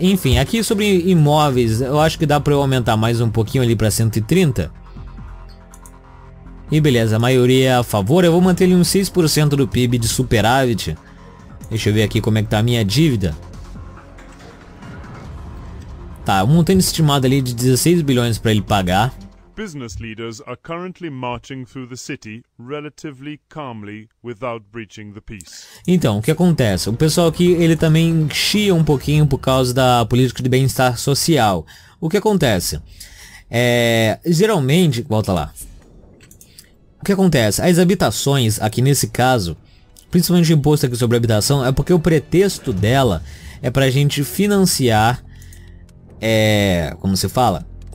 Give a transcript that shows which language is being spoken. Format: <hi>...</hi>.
<pt>Enfim, aqui sobre imóveis, eu acho que dá pra eu aumentar mais um pouquinho ali pra 130. E beleza, a maioria a favor. Eu vou manter ali uns 6% do PIB de superávit. Deixa eu ver aqui como é que tá a minha dívida. Tá, um montante estimado ali de 16 bilhões pra ele pagar.</pt> <en>Business leaders are currently marching through the city relatively calmly without breaching the peace.</en> <pt>Então, o que acontece? O pessoal aqui, ele também chia um pouquinho por causa da política de bem-estar social. O que acontece? Geralmente, volta lá. O que acontece? As habitações aqui nesse caso, principalmente o imposto aqui sobre habitação, é porque o pretexto dela é pra gente financiar como se fala?</pt>